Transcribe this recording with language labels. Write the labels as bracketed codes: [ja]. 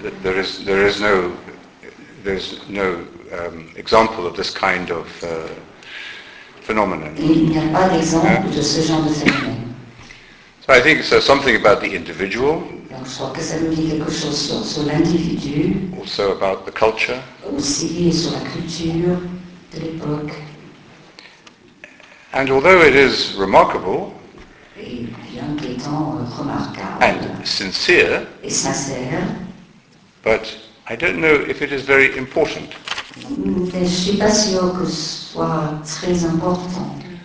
[en] There is no example of this kind of phenomenon. [fr] Il n'y a pas d'exemple de ce genre de phénomène. [en] So I think it says something about the individual. [fr] Donc, je crois que ça nous dit quelque chose sur l'individu. [en] Also about the culture. [fr] Aussi sur la culture de l'époque. [en] And although it is remarkable, [fr] et sincère, et sincère, [en] but I don't know if it is very important. [fr] Je ne suis pas sûr que ce soit très important.